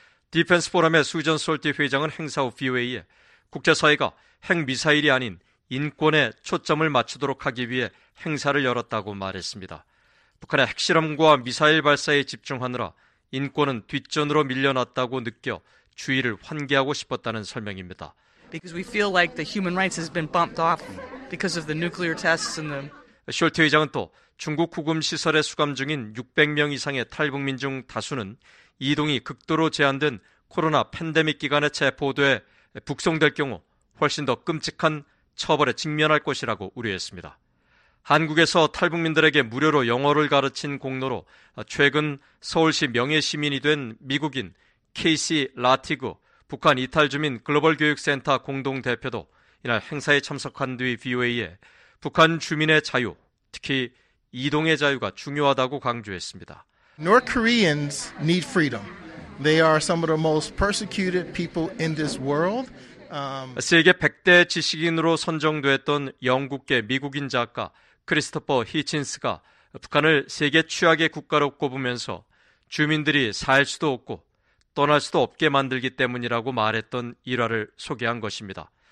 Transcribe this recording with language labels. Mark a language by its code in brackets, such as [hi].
[ko] 디펜스 포럼의 수전 솔티 회장은 행사 후 VOA에 국제사회가 핵미사일이 아닌 인권에 초점을 맞추도록 하기 위해 행사를 열었다고 말했습니다. 북한의 핵실험과 미사일 발사에 집중하느라 인권은 뒷전으로 밀려났다고 느껴 주의를 환기하고 싶었다는 설명입니다. [en] Because we feel like the human rights has been bumped off because of the nuclear tests and the [ko] 솔티 회장은 또 중국 구금시설에 수감 중인 600명 이상의 탈북민 중 다수는 이동이 극도로 제한된 코로나 팬데믹 기간에 체포돼 북송될 경우 훨씬 더 끔찍한 처벌에 직면할 것이라고 우려했습니다. 한국에서 탈북민들에게 무료로 영어를 가르친 공로로 최근 서울시 명예시민이 된 미국인 케이시 라티그 북한 이탈주민 글로벌교육센터 공동대표도 이날 행사에 참석한 뒤 VOA에 북한 주민의 자유, 특히 이동의 자유가 중요하다고 강조했습니다. [en] North Koreans need freedom. They are some of the most persecuted people in this world. [ko] 세계 100대 지식인으로 선정됐던 영국계 미국인 작가 크리스토퍼 히친스가 북한을 세계 최악의 국가로 꼽으면서 주민들이 살 수도 없고 떠날 수도 없게 만들기 때문이라고 말했던 일화를 소개한 것입니다.